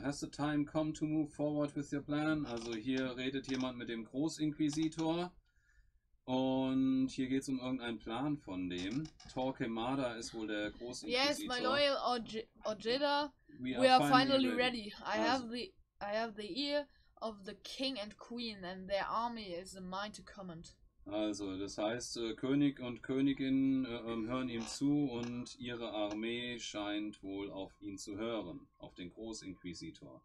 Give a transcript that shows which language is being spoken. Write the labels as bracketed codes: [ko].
[en] Has the time come to move forward with your plan? [de] Also hier redet jemand mit dem Großinquisitor. Und hier geht's um irgendeinen Plan von dem. Torquemada ist wohl der Großinquisitor. [en] Yes, my loyal Ojeda. We are finally ready. I have the ear of the king and queen and their army is in mind to command. [de] Also, das heißt, König und Königin hören ihm zu und ihre Armee scheint wohl auf ihn zu hören, auf den Großinquisitor.